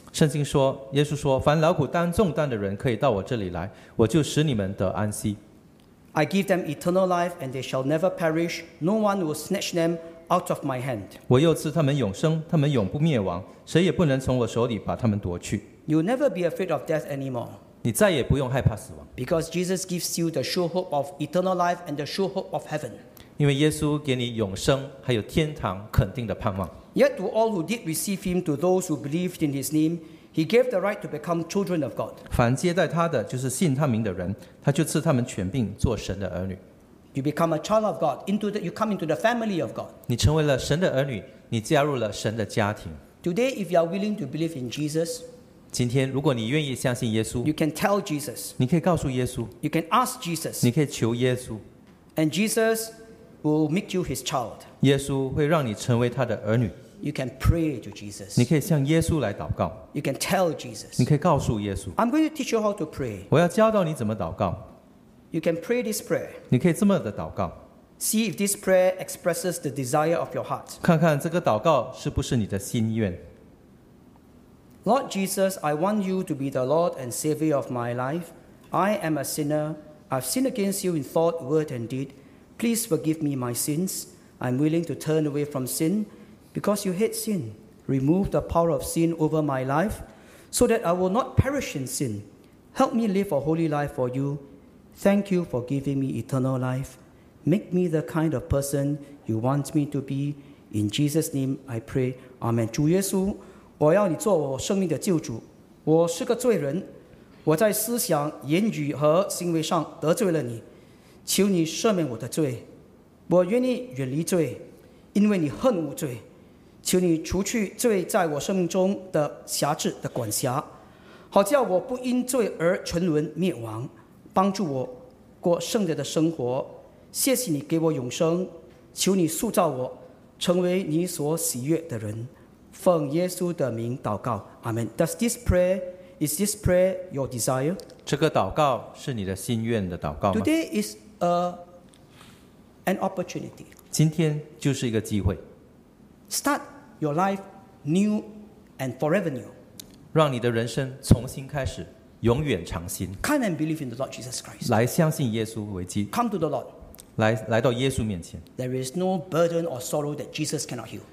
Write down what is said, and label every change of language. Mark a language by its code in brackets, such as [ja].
[zh] 圣经说，耶稣说，凡劳苦担重担的人可以到我这里来，我就使你们得安息。 [en] I give them eternal life and they shall never perish. No one will snatch them out of my hand. [zh] 我又赐他们永生，他们永不灭亡，谁也不能从我手里把他们夺去。 [en] You'll never be afraid of death anymore. [zh] 你再也不用害怕死亡。 [en] Because Jesus gives you the sure hope of eternal life and the sure hope of heaven. [zh] 因为耶稣给你永生，还有天堂肯定的盼望。 [en] Yet to all who did receive him, to those who believed in his name, he gave the right to become children of God. [zh] 凡接待他的，就是信他名的人，他就赐他们权柄做神的儿女。 [en] You become a child of God. You come into the family of God. [zh] 你成为了神的儿女，你加入了神的家庭。 [en] Today, if you are willing to believe in Jesus, [zh] 今天如果你愿意相信耶稣 [en] ，You can tell Jesus. [zh] 你可以告诉耶稣 [en] ，You can ask Jesus. [zh] 你可以求耶稣 [en] ，And Jesus will make you his child. [zh] 耶稣会让你成为他的儿女。 [en] You can pray to Jesus. [zh] 你可以向耶稣来祷告。 [en] You can tell Jesus. [zh] 你可以告诉耶稣。 [en] I'm going to teach you how to pray. [zh] 我要教导你怎么祷告。 [en] You can pray this prayer. [zh] 你可以这么的祷告。 [en] See if this prayer expresses the desire of your heart. [zh] 看看这个祷告是不是你的心愿。 [en] Lord Jesus, I want you to be the Lord and Savior of my life. I am a sinner. I've sinned against you in thought, word, and deed. Please forgive me my sins. I'm willing to turn away from sin. Because you hate sin, remove the power of sin over my life, so that I will not perish in sin. Help me live a holy life for you. Thank you for giving me eternal life. Make me the kind of person you want me to be. In Jesus' name, I pray. Amen. [zh] 主耶稣，我要你做我生命的救主。我是个罪人，我在思想、言语和行为上得罪了你。求你赦免我的罪。我愿意远离罪，因为你恨恶罪。求你除去罪在我生命中的辖制的管辖，好叫我不因罪而沉沦灭亡，帮助我过圣洁的生活。谢谢你给我永生，求你塑造我，成为你所喜悦的人。奉耶稣的名祷告，阿门。 [en] Is this prayer your desire? [zh] 这个祷告是你的心愿的祷告吗？ [en] Today is an opportunity. [zh] 今天就是一个机会。 [en] Start your life new and forever new. [zh] 让你的人生重新开始，永远长新。 [en] Come and believe in the Lord Jesus Christ. [zh] 来相信耶稣为基督。 [en] Come to the Lord. [zh] 来到耶稣面前。 [en] There is no burden or sorrow that Jesus cannot heal.